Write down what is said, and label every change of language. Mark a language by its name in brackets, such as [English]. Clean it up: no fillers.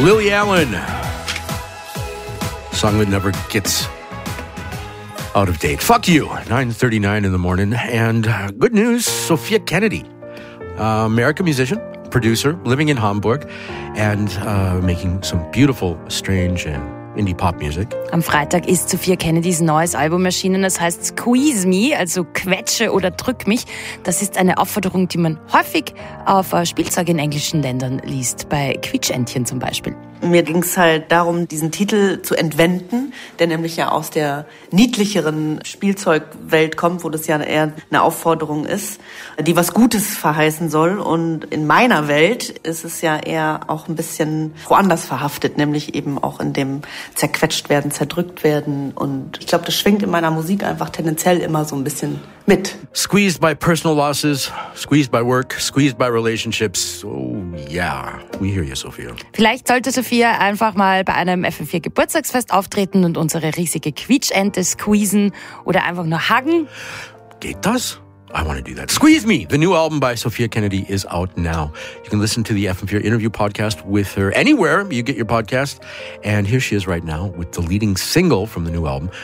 [English] Allen, song that never gets out of date. Fuck you. 9:39 in the morning. And good news, Sophia Kennedy, American musician, producer, living in Hamburg, and making some beautiful, strange and indie pop music. [German] Am Freitag ist Sophia Kennedys neues Album erschienen. Das heißt Squeeze Me, also quetsche oder drück mich. Das ist eine Aufforderung, die man häufig auf Spielzeug in englischen Ländern liest, bei Quietschentchen zum Beispiel. Mir ging es halt darum, diesen Titel zu entwenden, der nämlich ja aus der niedlicheren Spielzeugwelt kommt, wo das ja eher eine Aufforderung ist, die was Gutes verheißen soll. Und in meiner Welt ist es ja eher auch ein bisschen woanders verhaftet, nämlich eben auch in dem zerquetscht werden, zerdrückt werden. Und ich glaube, das schwingt in meiner Musik einfach tendenziell immer so ein bisschen mit. [English] Squeezed by personal losses, squeezed by work, squeezed by relationships. Oh yeah, we hear you, Sophia. [German] Vielleicht sollte Sophia einfach mal bei einem FM4-Geburtstagsfest auftreten und unsere riesige Quietschente squeezen oder einfach nur huggen. Geht das? [English] I want to do that. Squeeze Me, the new album by Sophia Kennedy, is out now. You can listen to the FM4 interview podcast with her anywhere you get your podcast. And here she is right now with the leading single from the new album.